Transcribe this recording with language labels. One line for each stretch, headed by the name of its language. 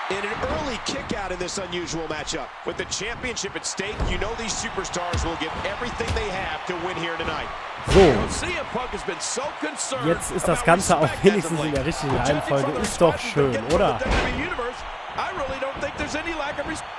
English: In an early kick out in this unusual matchup. With the championship at stake, you know these superstars will give everything they have to win here tonight. So. CM Punk has been so concerned.
German: Jetzt ist das Ganze auch wenigstens in der richtigen Reihenfolge. Ist doch schön, oder?
English: I really don't think there's any lack of respect.